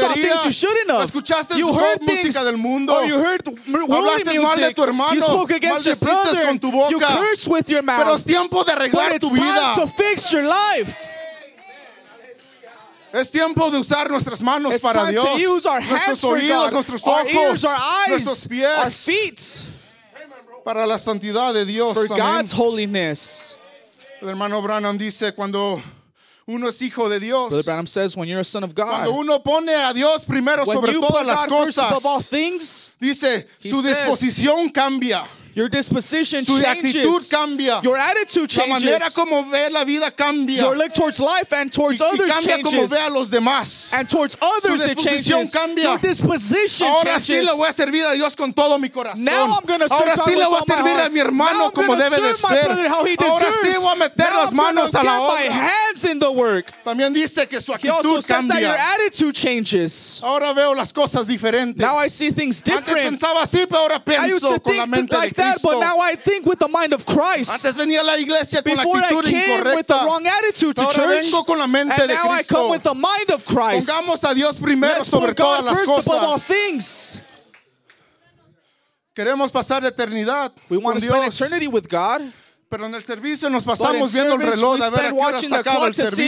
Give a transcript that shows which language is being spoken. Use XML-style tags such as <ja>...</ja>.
<en>Saw things you shouldn't have.</en> <es>Escuchaste</es> <en>you heard</en> <es>música</es> <en>things,</en> <es>del mundo.</es> <en>Or you heard worldly</en> <es>hablaste</es> <en>music.</en> <es>Mal de tu hermano.</es> <en>You spoke against your brother.</en> <es>Con tu boca.</es> <en>You cursed with your mouth.</en> <es>Pero es tiempo de arreglar</es> <en>but it's</en> <es>tu vida.</es> <en>Time to fix your life.</en> <es>Es tiempo de usar nuestras manos para Dios.</es> <en>It's time to use our hands for God.</en> <es>Nuestros oídos, nuestros ojos, nuestros pies.</es> <en>Our feet.</en> <es>Para la santidad de Dios.</es> <en>For God's holiness.</en> <es>El hermano Branham dice cuando uno es hijo de Dios.</es> <en>Brother Branham says when you're a son of God.</en> <es>Cuando uno pone a Dios primero sobre todas las cosas.</es> <en>When you put God first above all things.</en> <es>Dice su disposición cambia.</es> <en>Your disposition changes.</en> <es>Su actitud cambia.</es> <en>Your attitude changes.</en> <es>La manera como ve la vida cambia.</es> <en>Your look towards life and towards others changes.</en> <es>Y cambia como ve a los demás.</es> <en>And towards others it changes.</en> <es>Su disposición cambia.</es> <en>Your disposition changes.</en> <es>Ahora sí le voy a servir a Dios con todo mi corazón.</es> <en>Now I'm going to serve God with all my heart.</en> <es>Ahora sí le voy a servir a mi hermano como debe de ser. Ahora sí voy a meter las manos a la obra.</es> <en>Now I'm going to get my hands in the work.</en> <es>También dice que su actitud cambia.</es> <en>He also says that your attitude changes.</en> <es>Ahora veo las cosas diferentes.</es> <en>Now I see things different.</en> <es>Antes pensaba así, pero ahora pienso con la mente de</es> <en>that, but now I think with the mind of Christ.</en> <es>Antes venía a la iglesia</es> <en>before</en> <es>con la actitud</es> <en>I came</en> <es>incorrecta.</es> <en>With the wrong attitude to</en> <es>ahora</es> <en>church</en> <es>vengo con la mente</es> <en>and</en> <es>de</es> <en>now</en> <es>Cristo.</es> <en>I come with the mind of Christ.</en> <es>Pongamos a Dios primero</es> <en>let's</en> <es>sobre</es> <en>put God</en> <es>todas las</es> <en>first</en> <es>cosas.</es> <en>Above all things.</en> <es>Queremos pasar eternidad</es> <en>we want to spend</en> <es>Dios.</es> <en>Eternity with God.</en> <es>Pero en el servicio nos pasamos viendo el reloj a ver a qué hora se acaba el servicio.</es>